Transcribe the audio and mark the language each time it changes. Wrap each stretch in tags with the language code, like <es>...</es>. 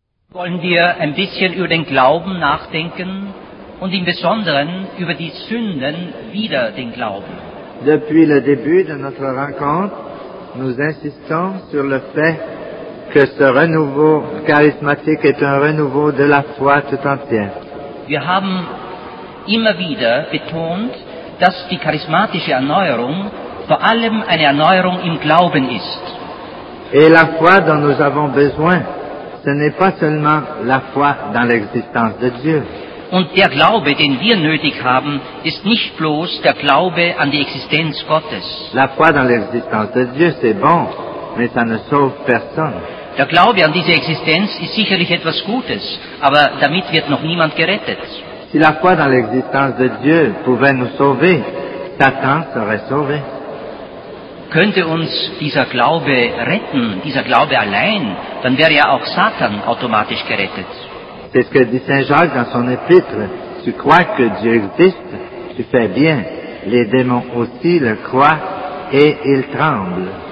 <de>Wollen wir ein bisschen über den Glauben nachdenken und im Besonderen über die Sünden wider den Glauben?</de> <fr>Depuis le début de notre rencontre, nous insistons sur le fait que ce renouveau charismatique est un renouveau de la foi tout entière.</fr> <de>Wir haben immer wieder betont, dass die charismatische Erneuerung vor allem eine Erneuerung im Glauben ist.</de> <fr>Et la foi dont nous avons besoin, ce n'est pas seulement la foi dans l'existence de Dieu.</fr> <de>Und der Glaube, den wir nötig haben, ist nicht bloß der Glaube an die Existenz Gottes.</de> <fr>La foi dans l'existence de Dieu, c'est bon, mais ça ne sauve personne.</fr> <de>Der Glaube an diese Existenz ist sicherlich etwas Gutes, aber damit wird noch niemand gerettet.</de> <fr>Si la foi dans l'existence de Dieu pouvait nous sauver, Satan serait sauvé.</fr> <de>Könnte uns dieser Glaube retten, dieser Glaube allein, dann wäre ja auch Satan automatisch gerettet.</de> <fr>C'est ce que dit Saint Jacques dans son épître. Tu crois que Dieu existe, tu fais bien. Les démons aussi le croient et ils tremblent.</fr>